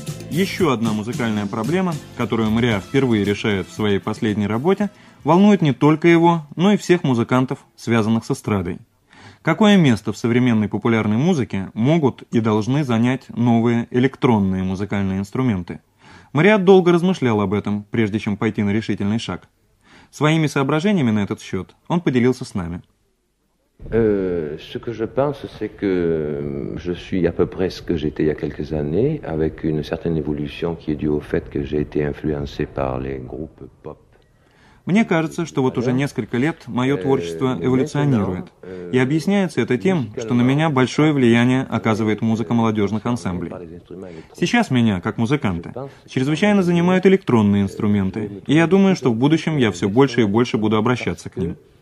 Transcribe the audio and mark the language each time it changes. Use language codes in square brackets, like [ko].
[ru] Еще одна музыкальная проблема, которую Мориа впервые решает в своей последней работе, волнует не только его, но и всех музыкантов, связанных с эстрадой. Какое место в современной популярной музыке могут и должны занять новые электронные музыкальные инструменты? Мориа долго размышлял об этом, прежде чем пойти на решительный шаг. Своими соображениями на этот счет он поделился с нами. [fr] Ce que je pense, c'est que je suis à peu près ce que j'étais il y a quelques années, avec une certaine évolution qui est due au fait que j'ai été influencé par les groupes pop. [ru] Мне кажется, что вот уже несколько лет мое творчество эволюционирует. И объясняется это тем, что на меня большое влияние оказывает музыка молодежных ансамблей. Сейчас меня, как музыканта, чрезвычайно занимают электронные инструменты, и я думаю, что в будущем я все больше и больше буду обращаться к ним.